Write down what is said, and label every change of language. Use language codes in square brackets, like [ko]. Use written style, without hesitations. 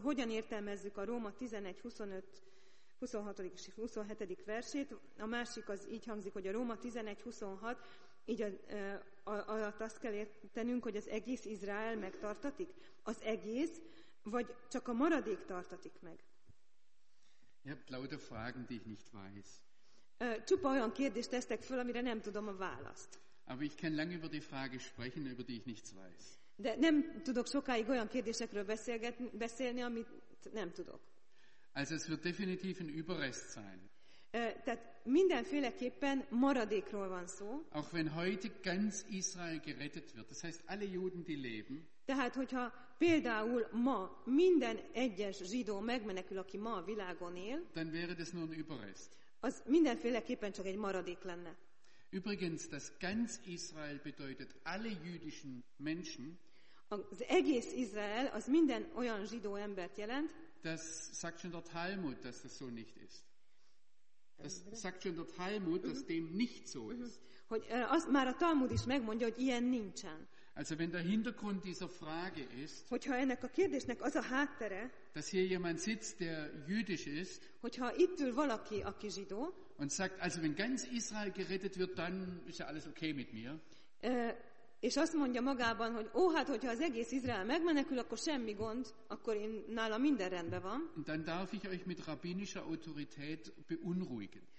[hu] Hogyan értelmezzük a Róma 11:25-26. és 27. versét? A másik az így hangzik, hogy a Róma 11:26 így alatt azt kell értenünk, hogy az egész Izrael megtartatik? Az egész, vagy csak a maradék tartatik meg? [de] Ihr habt lauter Fragen, die ich nicht weiß. [hu] Csupa olyan kérdést tesztek föl, amire nem tudom a választ. [de] Aber ich kann lange über die Frage sprechen, über die ich nichts weiß. [hu] De nem tudok sokáig olyan kérdésekről beszélni, amit nem tudok. [de] Also es wird definitiv ein Überrest sein. [hu] Tehát mindenféleképpen maradékról van szó. [de] Auch wenn heute ganz Israel gerettet wird, das heißt alle Juden, die leben. [hu] Tehát, hogyha például ma minden egyes zsidó megmenekül, aki ma a világon él, [de] dann wäre das nur ein Überrest. [hu] Az mindenféleképpen csak egy maradék lenne. [de] Übrigens, das ganz Israel bedeutet alle jüdischen Menschen. [hu] Az egész Izrael, az minden olyan zsidó embert jelent. [de] Das sagt schon der Talmud, dass das so nicht ist. Das sagt schon der Talmud, dass dem nicht so ist. [hu] Hogy azt már a Talmud is megmondja, hogy ilyen nincsen. [de] Also wenn der Hintergrund dieser Frage ist, [hu] hogyha ennek a kérdésnek az a háttere, [de] dass hier jemand sitzt, der jüdisch ist, [hu] hogyha itt ül valaki, aki zsidó, [de] und sagt, also wenn ganz Israel gerettet wird, dann ist ja alles okay mit mir. [hu] És azt mondja magában, hogy ó, hát, hogyha az egész Izrael megmenekül, akkor semmi gond, akkor én nála minden rendben van. [de] Dann darf ich euch mit rabbinischer Autorität beunruhigen.